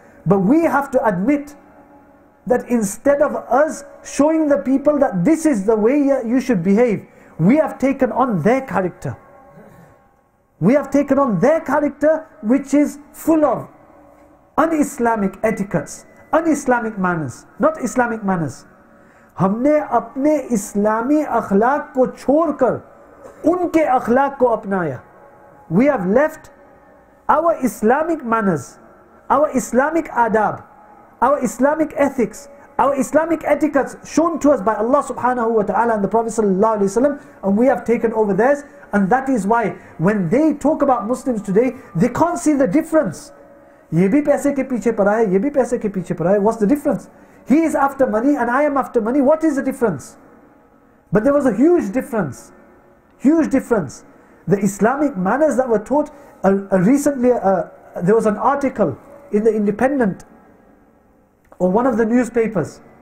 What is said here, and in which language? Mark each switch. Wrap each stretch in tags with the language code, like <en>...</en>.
<en>But we have to admit that instead of us showing the people that this is the way you should behave, we have taken on their character. We have taken on their character, which is full of un-Islamic etiquettes, un-Islamic manners, not Islamic manners.</en> <ur>ہم نے اپنے اسلامی اخلاق کو چھوڑ کر ان کے اخلاق کو اپنایا.</ur> <en>We have left our Islamic manners, our Islamic adab, our Islamic ethics, our Islamic etiquettes shown to us by Allah subhanahu wa ta'ala and the Prophet sallallahu alayhi wa sallam, and we have taken over theirs. And that is why when they talk about Muslims today, they can't see the difference.</en> <ur>یہ بھی پیسے کے پیچھے پڑا ہے, یہ بھی پیسے کے پیچھے پڑا ہے.</ur> <en>What's the difference? He is after money and I am after money. What is the difference? But there was a huge difference. Huge difference. The Islamic manners that were taught. Recently, there was an article in the Independent or one of the newspapers.</en>